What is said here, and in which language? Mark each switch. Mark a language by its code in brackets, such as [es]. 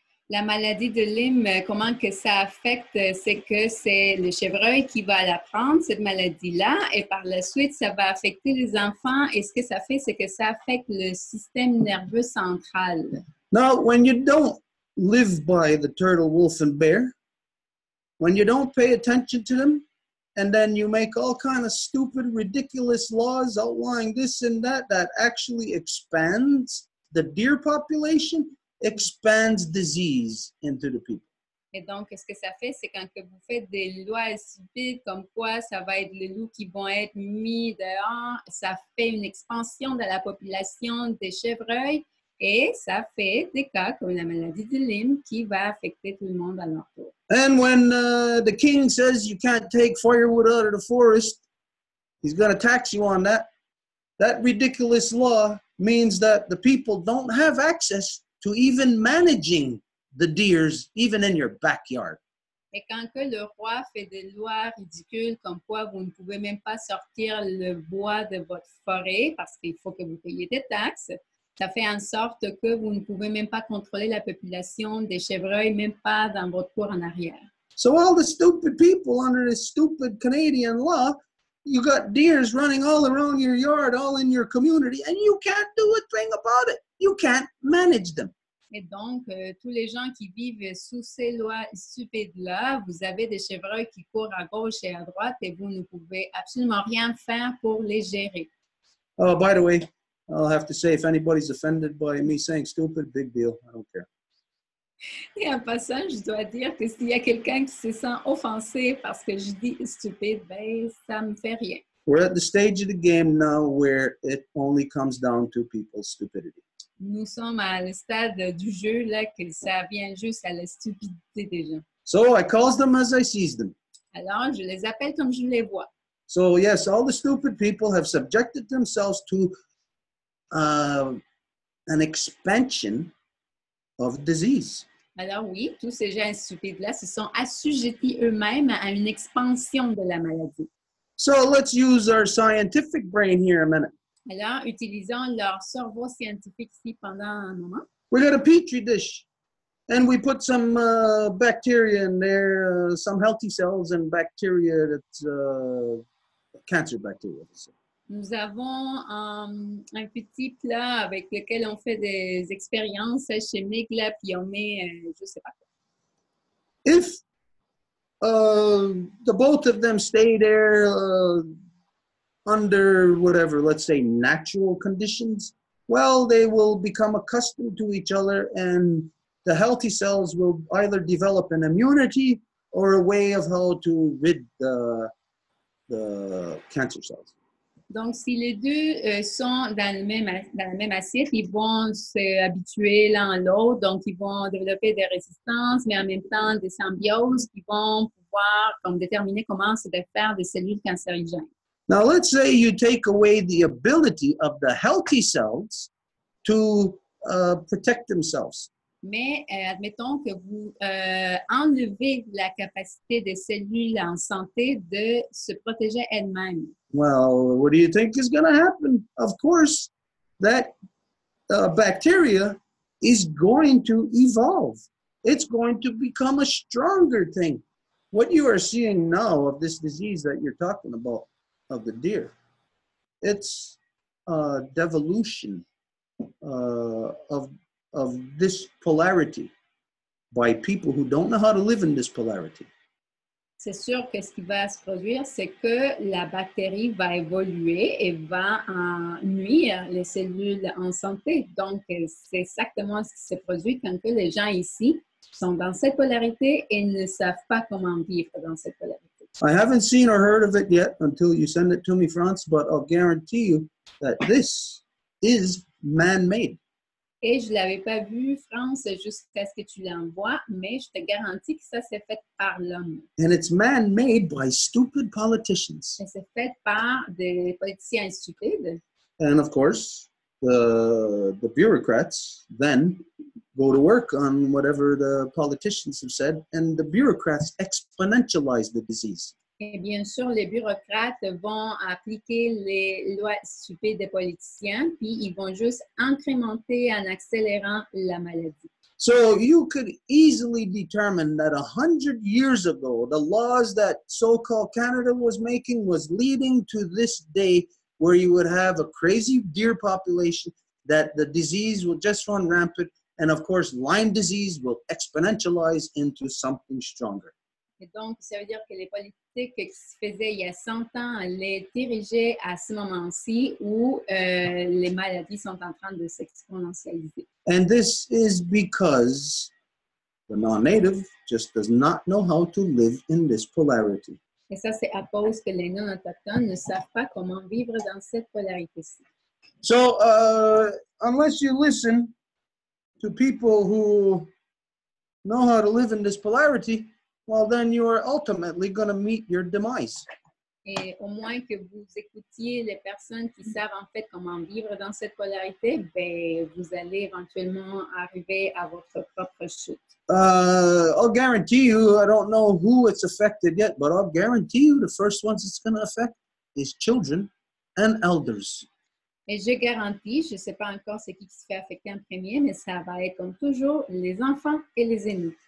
[fr] La maladie de Lyme, comment que ça affecte, c'est que c'est le chevreuil qui va la prendre, cette maladie-là, et par la suite, ça va affecter les enfants, et ce que ça fait, c'est que ça affecte le système nerveux central. [en] Now, when you don't live by the turtle, wolf, and bear, when you don't pay attention to them, and then you make all kinds of stupid, ridiculous laws outlawing this and that, that actually expands the deer population, expands disease into the people. [fr] Et donc, ce que ça fait, c'est quand que vous faites des lois stupides comme quoi ça va être les loups qui vont être mis dehors, ça fait une expansion de la population des chevreuils et ça fait des cas comme la maladie de Lyme qui va affecter tout le monde à leur tour. [en] And when the king says you can't take firewood out of the forest, he's going to tax you on that. That ridiculous law means that the people don't have access to even managing the deers, even in your backyard. [fr] Et quand que le roi fait des lois ridicules comme quoi vous ne pouvez même pas sortir le bois de votre forêt parce qu'il faut que vous payiez des taxes, ça fait en sorte que vous ne pouvez même pas contrôler la population des chevreuils, même pas dans votre cour en arrière. [en] So all the stupid people under this stupid Canadian law, you got deers running all around your yard, all in your community, and you can't do a thing about it. You can't manage them. [fr] Et donc, tous les gens qui vivent sous ces lois stupides-là, vous avez des chevreuils qui courent à gauche et à droite et vous ne pouvez absolument rien faire pour les gérer. [en] Oh, by the way, I'll have to say, if anybody's offended by me saying stupid, big deal, I don't care. [fr] Et en passant, je dois dire que s'il y a quelqu'un qui se sent offensé parce que je dis stupide, ben, ça me fait rien. [en] We're at the stage of the game now where it only comes down to people's stupidity. [fr] Nous sommes à le stade du jeu là que ça vient juste à la stupidité des gens. [en] So I call them as I see them. [fr] Alors, je les appelle comme je les vois. [en] So yes, all the stupid people have subjected themselves to an expansion of disease. [fr] Alors oui, tous ces gens stupides là se sont assujettis eux-mêmes à une expansion de la maladie. [en] So let's use our scientific brain here a minute. [fr] Alors, utilisons leur cerveau scientifique ici pendant un moment. [en] We got a petri dish and we put some bacteria in there, some healthy cells and bacteria that's cancer bacteria. [fr] Nous avons un petit plat avec lequel on fait des expériences chimiques là, puis on met je sais pas quoi. [en] If the both of them stay there under whatever, let's say, natural conditions, well, they will become accustomed to each other and the healthy cells will either develop an immunity or a way of how to rid the cancer cells. [fr] Donc, si les deux sont dans la même assiette, ils vont s'habituer l'un à l'autre, donc ils vont développer des résistances, mais en même temps des symbioses qui vont pouvoir comme, déterminer comment se défaire des cellules cancérigènes. [en] Now, let's say you take away the ability of the healthy cells to protect themselves. [fr] Mais admettons que vous enlevez la capacité des cellules en santé de se protéger elles-mêmes. [en] Well, what do you think is going to happen? Of course, that bacteria is going to evolve. It's going to become a stronger thing. What you are seeing now of this disease that you're talking about of the deer. It's a devolution of this polarity by people who don't know how to live in this polarity. [fr] C'est sûr que ce qui va se produire, c'est que la bactérie va évoluer et va nuire les cellules en santé. Donc, c'est exactement ce qui se produit quand que les gens ici sont dans cette polarité et ne savent pas comment vivre dans cette polarité. [en] I haven't seen or heard of it yet until you send it to me, France, but I'll guarantee you that this is man-made. [fr] Et je ne l'avais pas vu, France, jusqu'à ce que tu l'envoies, mais je te garantis que ça s'est fait par l'homme. [en] And it's man-made by stupid politicians. [fr] Et c'est fait par des politiciens stupides. [en] And of course, the bureaucrats then go to work on whatever the politicians have said, and the bureaucrats exponentialize the disease. [fr] Et bien sûr, les bureaucrates vont appliquer les lois stupides des politiciens, puis ils vont juste incrémenter en accélérant la maladie. [en] So you could easily determine that 100 years ago, the laws that so-called Canada was making was leading to this day where you would have a crazy deer population that the disease will just run rampant, and of course, Lyme disease will exponentialize into something stronger. [fr] Et donc, ça veut dire que les politiques qui se faisaient il y a 100 ans les dirigeaient à ce moment-ci où les maladies sont en train de s'exponentialiser. [en] And this is because the non-native just does not know how to live in this polarity. [fr] Et ça, c'est à cause que les non-autochtones ne savent pas comment vivre dans cette polarité-ci. [en] So, unless you listen to people who know how to live in this polarity, well, then you are ultimately going to meet your demise. [fr] Et au moins que vous écoutiez les personnes qui savent en fait comment vivre dans cette polarité, ben vous allez éventuellement arriver à votre propre chute. [en] I'll guarantee you, I don't know who it's affected yet, but I'll guarantee you the first ones it's going to affect is children and elders. [fr] Et je garantis, je ne sais pas encore c'est qui se fait affecter en premier, mais ça va être comme toujours les enfants et les aînés.